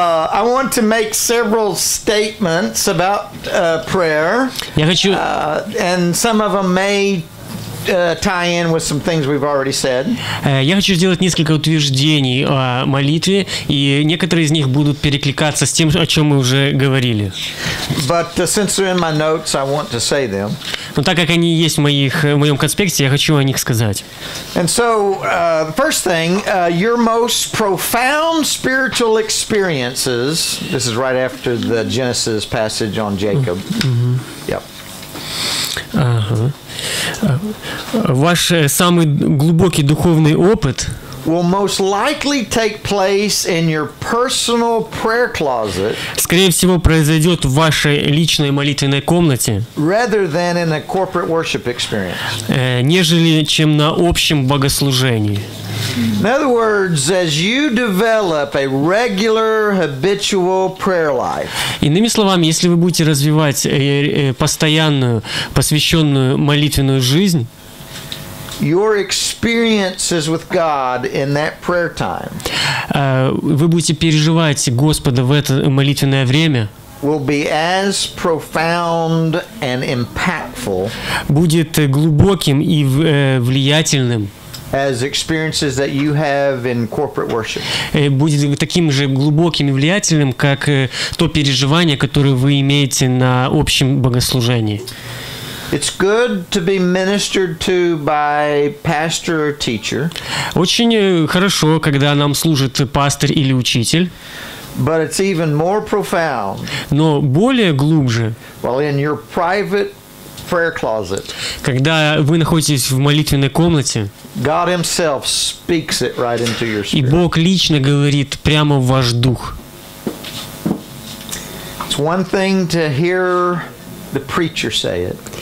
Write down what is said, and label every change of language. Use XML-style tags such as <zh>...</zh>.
<en>I want to make several statements about prayer.</en> <ru>Я хочу...</ru> <en>And some of them may tie in with some things we've already said.</en> <ru>Я хочу сделать несколько утверждений о молитве, и некоторые из них будут перекликаться с тем, о чем мы уже говорили.</ru> <en>But since they're in my notes, I want to say them.</en> <ru>Но так как они есть в моем конспекте, я хочу о них сказать.</ru> <en>And so, the first thing, your most profound spiritual experiences, this is right after the Genesis passage on Jacob. Mm-hmm. Yep.</en> <ru>Ваш самый глубокий духовный опыт</ru> <en>will most likely take place in your personal prayer closet,</en> <ru>скорее всего, произойдет в вашей личной молитвенной комнате,</ru> <en>rather than in a corporate worship experience,</en> <ru>нежели чем на общем богослужении.</ru> <en>In other words, as you develop a regular, habitual prayer life.</en> <ru>Иными словами, если вы будете развивать постоянную, посвященную молитвенную жизнь.</ru> <en>Your experiences with God in that prayer time.</en> <ru>Вы будете переживать Господа в это молитвенное время.</ru> <en>Will be as profound and impactful.</en> <ru>Будет глубоким и влиятельным.</ru> <en>As experiences that you have in corporate worship.</en> <ru>Будет таким же глубоким и влиятельным, как то переживание, которое вы имеете на общем богослужении.</ru> <en>It's good to be ministered to by pastor or teacher.</en> <ru>Очень хорошо, когда нам служит пастор или учитель.</ru> <en>But it's even more profound.</en> <ru>Но более глубже.</ru> <en>While in your private prayer closet.</en> <ru>Когда вы находитесь в молитвенной комнате.</ru> <en>God himself speaks it right into your spirit.</en> <ru>И Бог лично говорит прямо в ваш дух.</ru> <en>It's one thing to hear the preacher say it.</en>